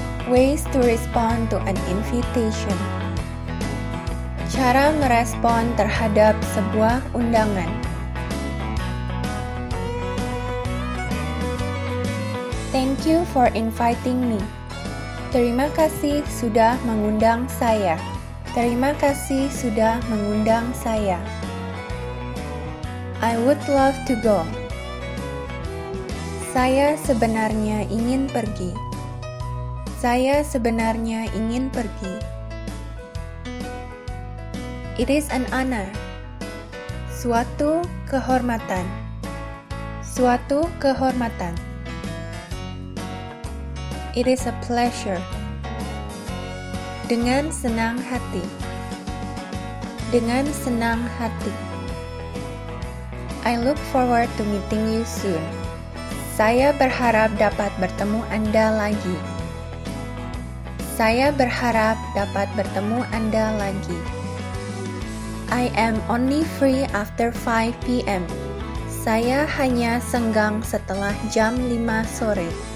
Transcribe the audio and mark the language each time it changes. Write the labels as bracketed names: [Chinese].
[English] Ways to respond to an invitation. [Indonesian] Cara merespon terhadap sebuah undangan. [English] Thank you for inviting me. [Indonesian] Terima kasih sudah mengundang saya. Terima kasih sudah mengundang saya. [English] I would love to go. [Indonesian] Saya sebenarnya ingin pergi. Saya sebenarnya ingin pergi. [English] It is an honor. [Indonesian] Suatu kehormatan. Suatu kehormatan. [English] It is a pleasure. [Indonesian] Dengan senang hati. Dengan senang hati. [English] I look forward to meeting you soon. [Indonesian] Saya berharap dapat bertemu Anda lagi. Saya berharap dapat bertemu Anda lagi. [English] I am only free after 5 p.m. [Indonesian] Saya hanya senggang setelah jam 5 sore.